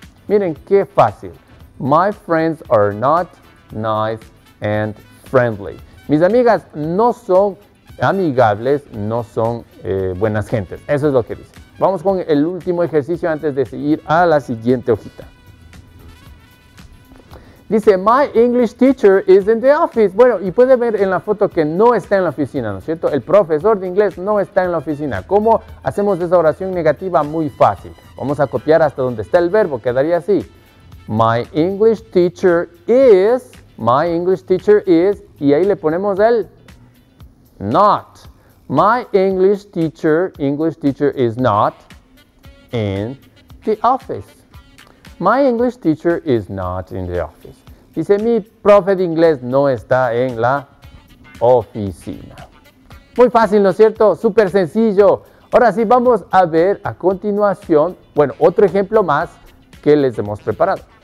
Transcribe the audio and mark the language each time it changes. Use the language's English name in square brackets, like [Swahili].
[Spanish] Miren qué fácil. [English] My friends are not nice and friendly. [Spanish] Mis amigas no son amigables, no son buenas gentes. Eso es lo que dice. Vamos con el último ejercicio antes de seguir a la siguiente hojita. [English] Dice, my English teacher is in the office. [Spanish] Bueno, y puede ver en la foto que no está en la oficina, ¿no es cierto? El profesor de inglés no está en la oficina. ¿Cómo hacemos esa oración negativa? Muy fácil. Vamos a copiar hasta donde está el verbo. Quedaría así. [English] My English teacher is, my English teacher is, [Spanish] y ahí le ponemos el [English] not. My English teacher is not in the office. My English teacher is not in the office. [Spanish] Dice, mi profe de inglés no está en la oficina. Muy fácil, ¿no es cierto? Súper sencillo. Ahora sí, vamos a ver a continuación, bueno, otro ejemplo más que les hemos preparado.